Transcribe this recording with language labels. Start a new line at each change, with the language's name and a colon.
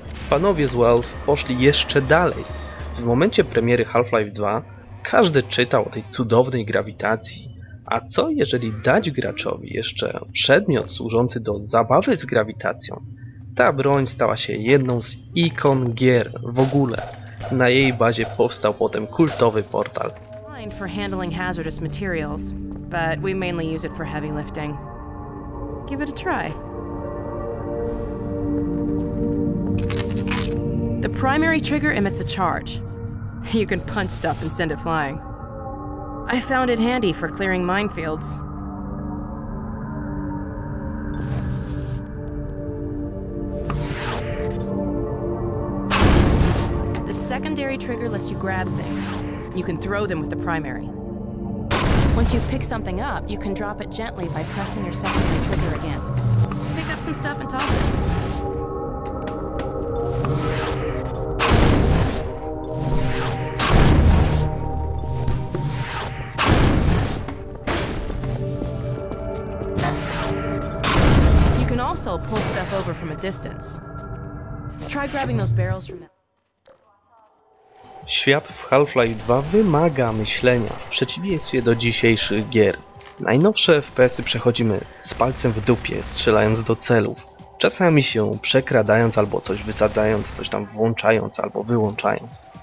Polish: Panowie z Valve poszli jeszcze dalej. W momencie premiery Half-Life 2 każdy czytał o tej cudownej grawitacji. A co jeżeli dać graczowi jeszcze przedmiot służący do zabawy z grawitacją? Ta broń stała się jedną z ikon gier w ogóle. Na jej bazie powstał potem kultowy portal.
English: For handling hazardous materials, but we mainly use it for heavy lifting. Give it a try. The primary trigger emits a charge. You can punch stuff and send it flying. I found it handy for clearing minefields. The secondary trigger lets you grab things. You can throw them with the primary. Once you pick something up, you can drop it gently by pressing your secondary trigger again. Pick up some stuff and toss it. Pull stuff over from a distance. Try grabbing those barrels from
Polish: Świat w Half-Life 2 wymaga myślenia, w przeciwieństwie do dzisiejszych gier. Najnowsze FPS-y przechodzimy z palcem w dupie, strzelając do celów. Czasami się przekradając albo coś wysadzając, coś tam włączając albo wyłączając.